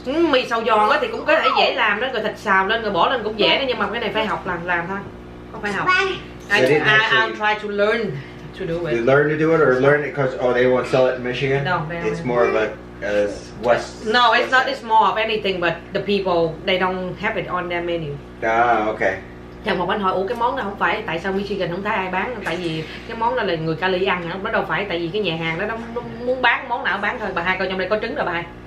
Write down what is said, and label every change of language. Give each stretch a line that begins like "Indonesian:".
Vietnamese: mì xào giòn thì cũng có thể dễ làm đó, rồi thịt xào lên rồi bỏ lên cũng dễ đó, nhưng mà cái này phải học làm thôi, không phải học.
English: I'll try to learn to do it. You learn to do it or learn it because they won't sell it in Michigan? No, it's more of a West. No, it's not. It's more of anything, but the people they don't have it on their menu. Okay.
Vietnamese: Chồng một anh hỏi, ủa cái món đó không phải tại sao Michigan không thấy ai bán? Tại vì cái món đó là người Cali ăn, nó đâu phải tại vì cái nhà hàng đó nó muốn bán món nào bán thôi. Bà hai coi trong đây có trứng rồi bà hai.